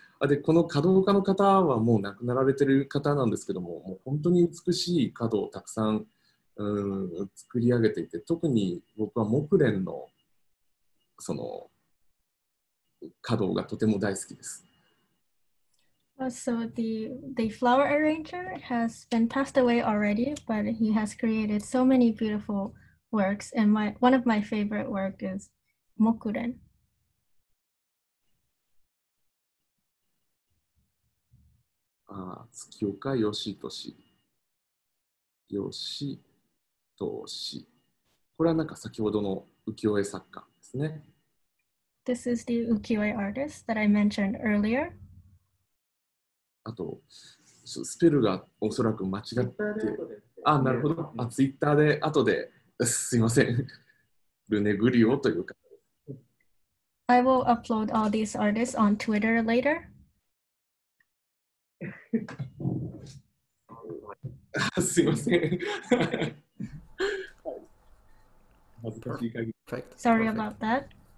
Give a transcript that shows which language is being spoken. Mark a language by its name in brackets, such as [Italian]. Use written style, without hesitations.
[Japanese] で、この華道家の方はもう亡くなられてる方なんですけども、もう本当に美しい華道をたくさん、作り上げていて、特に僕は木蓮のその華道がとても大好きです。 [English] So the flower arranger has been passed away already, but he has created so many beautiful works, and one of my favorite work is Mokuren. [Japanese] 月岡よしとし。よしとし。これはなんか先ほどの浮世絵作家ですね。 [English] This is the 浮世絵 artist that I mentioned earlier. [Japanese] あと、スペルがおそらく間違って。あ、なるほど。あ、ツイッターで後で、すいません。ルネグリオというか。 [English] I will upload all these artists on Twitter later. [Japanese] すいません。 [English] Perfect. Sorry about that.